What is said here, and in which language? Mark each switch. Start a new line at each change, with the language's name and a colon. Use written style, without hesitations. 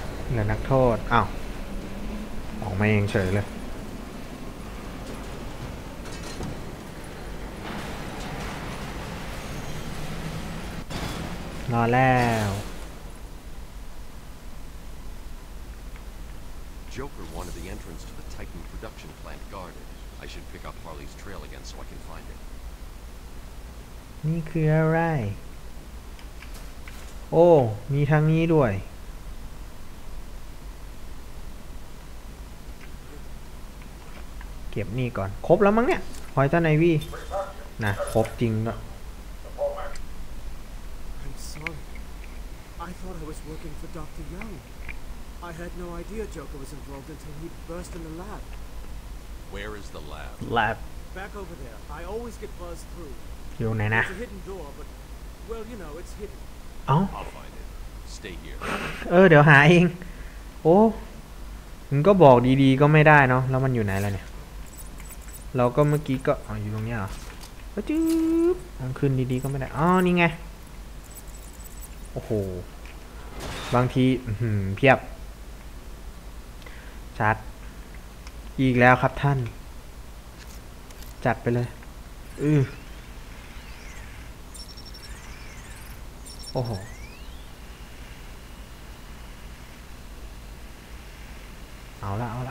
Thai: เหลือนักโทษอ้าวออกมาเองเฉยเลยรอแล้ว
English: โจ๊กเกอร์ wanted the entrance to the Titan production plant guarded. I should pick up Harley's trail again so I can find it.
Thai: นี่คืออะไรโอ้มีทางนี้ด้วยเก็บนี่ก่อนครบแล้วมั้งเนี่ยหอยเจ้านายวีนะครบจริงด้วย
English: I'm sorry. I thought I was working for Dr. Young. I had no idea Joker was involved until he burst in the lab. Where is the lab? Lab. Back over there. I always get buzzed through.
Thai: อยู่ไหนนะ
English: It's a hidden door, but well, you know, it's hidden.
Thai: อ๋อ
English: I'll find it. Stay here.
Thai: เดี๋ยวหาเองโอ้มันก็บอกดีๆก็ไม่ได้เนาะแล้วมันอยู่ไหนล่ะเนี่ยเราก็เมื่อกี้ก็อยู่ตรงเนี้ยเหรอปึ๊บจึ๊บมันขึ้นดีๆก็ไม่ได้อ๋อนี่ไง โอ้โหบางทีเพียบชัดอีกแล้วครับท่านจัดไปเลยโอ้โหเอาละ